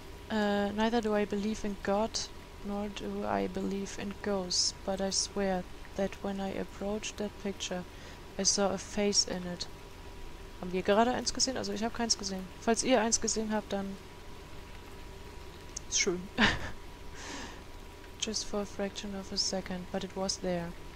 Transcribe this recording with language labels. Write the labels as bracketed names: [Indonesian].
[English] Neither do I believe in God, nor do I believe in ghosts, but I swear that when I approached that picture, I saw a face in it. [German] Haben wir gerade eins gesehen? Also ich habe keins gesehen. Falls ihr eins gesehen habt, dann ist schön. [English] Just for a fraction of a second, but it was there.